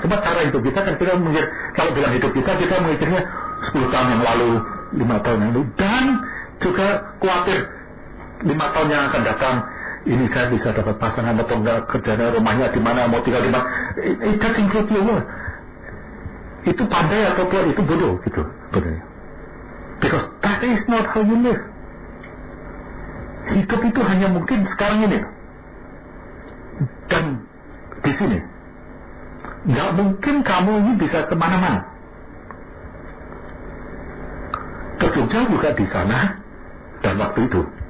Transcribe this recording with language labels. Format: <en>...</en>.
<id>Cuma cara hidup kita kan kita mikir, kalau dalam hidup kita mikirnya 10 tahun yang lalu, 5 tahun yang lalu, dan juga khawatir 5 tahun yang akan datang, ini saya bisa dapat pasangan atau enggak, kerjanya rumahnya di mana, mau tinggal di mana.</id> <en>It doesn't include you.</en> <id>Itu pandai atau tidak, itu bodoh, gitu. Sebenarnya.</id> <en>Because that is not how you live.</en> <id>Hidup itu hanya mungkin sekarang ini. Dan di sini nggak mungkin kamu ini bisa kemana-mana. Ke Jogja juga di sana dan waktu itu.</id>